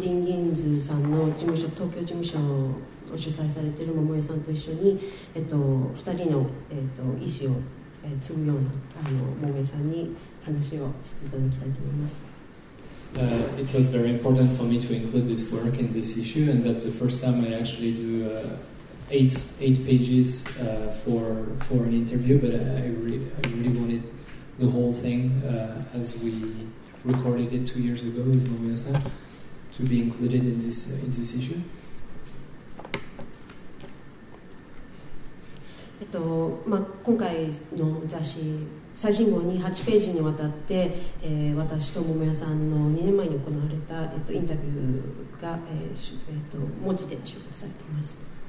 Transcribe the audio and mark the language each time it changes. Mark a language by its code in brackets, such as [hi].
[ja] を主催されている桃江さんと一緒に、2人の、意思を、継ぐような桃江さんに話をしていただきたいと思います。 [en] It was very important for me to include this work in this issue, and that's the first time I actually do eight pages for an interview, but I really wanted the whole thing as we recorded it 2 years ago with 桃江さん to be included in this issue. [ja] まあ、今回の雑誌最新号に8ページにわたって、私と桃屋さんの2年前に行われた、インタビューが、文字で収録されています。